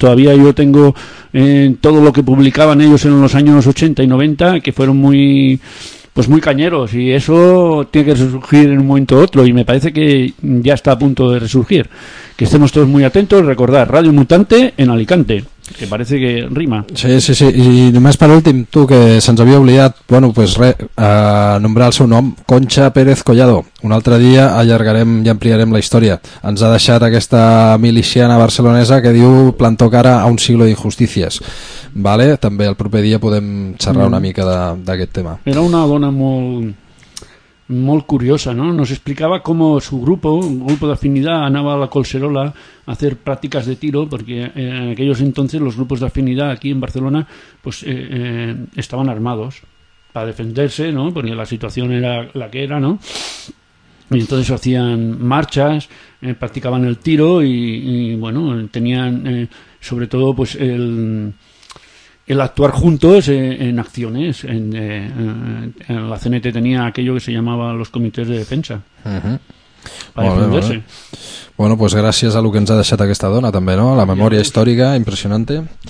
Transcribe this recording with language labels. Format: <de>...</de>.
<es>Todavía yo tengo todo lo que publicaban ellos en los años 80 y 90, que fueron muy cañeros, y eso tiene que resurgir en un momento u otro, y me parece que ya está a punto de resurgir. Que estemos todos muy atentos, recordar Radio Mutante en Alicante, que parece que rima.</es> <ca>Sí, sí, sí, i només per últim, tu, que se'ns havia oblidat, bueno, pues re, nombrar el seu nom, Concha Pérez Collado. Un altre dia allargarem i ampliarem la història. Ens ha deixat aquesta miliciana barcelonesa que diu plantó cara a</ca> <es>un siglo</es> <ca>d'injustícies. Vale? També el proper dia podem xerrar una mica d'aquest tema. Era una dona molt curiosa, ¿no?</ca> <es>Nos explicaba cómo su grupo, un grupo de afinidad, andaba a la Colserola a hacer prácticas de tiro, porque en aquellos entonces los grupos de afinidad aquí en Barcelona pues estaban armados para defenderse, ¿no? Porque la situación era la que era, ¿no? y entonces hacían marchas, practicaban el tiro y bueno, tenían sobre todo pues el actuar juntos en acciones. En la CNT tenía aquello que se llamaba los comités de defensa. Uh-huh. Para defenderse.</es> <ca>Bé, bueno, pues gràcies a lo que ens ha deixat aquesta dona també, no? La memòria sí, històrica, impressionante.</ca>